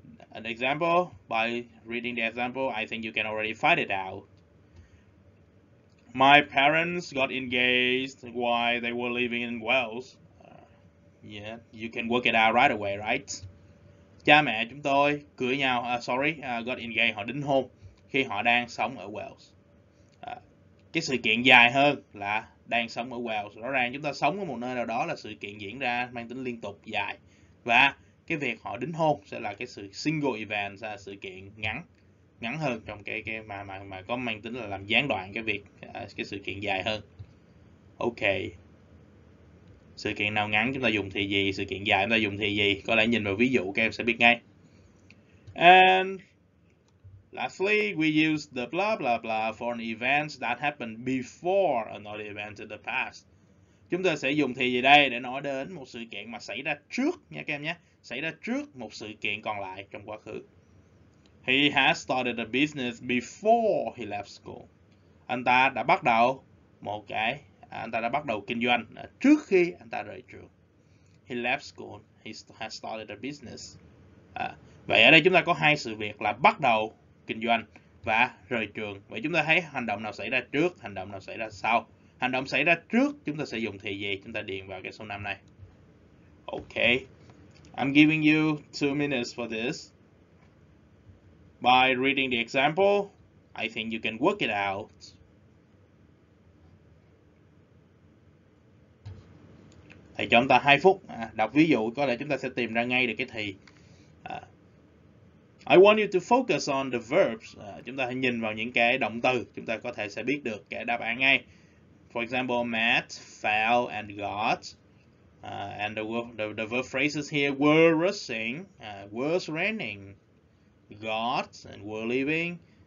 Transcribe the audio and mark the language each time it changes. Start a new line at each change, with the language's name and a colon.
English: An example, by reading the example, I think you can already find it out. My parents got engaged while they were living in Wales. Yeah, you can work it out right away, right?
Vietnamese: Cha mẹ chúng tôi cưới nhau,
English: got engaged,
Vietnamese: họ đính hôn khi họ đang sống ở Wales. Cái sự kiện dài hơn là đang sống ở Wales. Rõ ràng chúng ta sống ở một nơi nào đó là sự kiện diễn ra mang tính liên tục dài. Và cái việc họ đính hôn sẽ là cái sự single event, là sự kiện ngắn, ngắn hơn trong cái mà có mang tính là làm gián đoạn cái việc cái sự kiện dài hơn. Ok. Sự kiện nào ngắn chúng ta dùng thì gì, sự kiện dài chúng ta dùng thì gì, có lẽ nhìn vào ví dụ các em sẽ biết ngay.
English: And lastly, we use the blah blah blah for an event that happened before another event in the past.
Vietnamese: Chúng ta sẽ dùng thì gì đây để nói đến một sự kiện mà xảy ra trước nha các em nhé, xảy ra trước một sự kiện còn lại trong quá khứ.
English: He has started a business before he left school.
Vietnamese: Anh ta đã bắt đầu một cái anh ta đã bắt đầu kinh doanh trước khi anh ta rời trường.
English: He left school. He has started a business.
Vietnamese: Vậy ở đây chúng ta có hai sự việc là bắt đầu kinh doanh và rời trường. Vậy chúng ta thấy hành động nào xảy ra trước, hành động nào xảy ra sau. Hành động xảy ra trước chúng ta sẽ dùng thì gì? Chúng ta điền vào cái số 5 này.
English: Ok. I'm giving you 2 minutes for this. By reading the example, I think you can work it out.
Vietnamese: Thầy cho chúng ta 2 phút đọc ví dụ, có lẽ chúng ta sẽ tìm ra ngay được cái thì.
English: I want you to focus on the verbs.
Vietnamese: Chúng ta hãy nhìn vào những cái động từ, chúng ta có thể sẽ biết được cái đáp án ngay.
English: For example, met, fell and got. And the verb phrases here were rushing, was raining, got and were leaving.